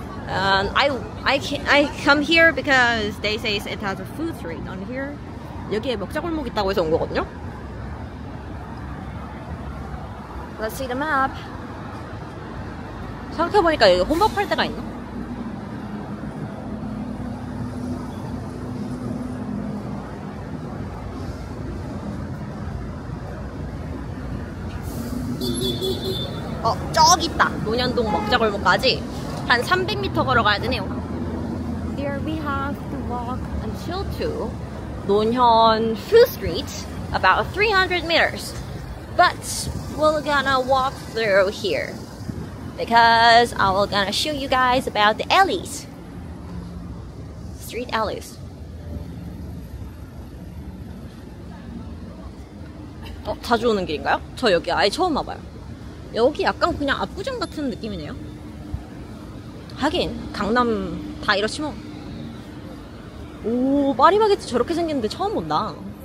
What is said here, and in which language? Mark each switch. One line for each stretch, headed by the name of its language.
English: I come here because they say it has a food street on here.
Korean: 여기에 먹자 골목 있다고 해서 온 거거든요.
English: Let's see the map.
Korean: 생각해보니까 여기 혼밥 할 데가 있나? Oh, 저기 있다. 논현동 먹자 골목까지 한 300m 걸어가야 되네요.
English: Here we have to walk until to 논현 Food Street, about 300 meters. But we're gonna walk through here because I'm gonna show you guys about the alleys, street alleys.
Korean: Oh, 자주 오는 길인가요? 저 여기 아예 처음 와봐요. 여기 약간 그냥 압구정 같은 느낌이네요. 하긴 강남 다 이렇지 뭐. 오, 파리바게트 저렇게 생겼는데 처음 본다.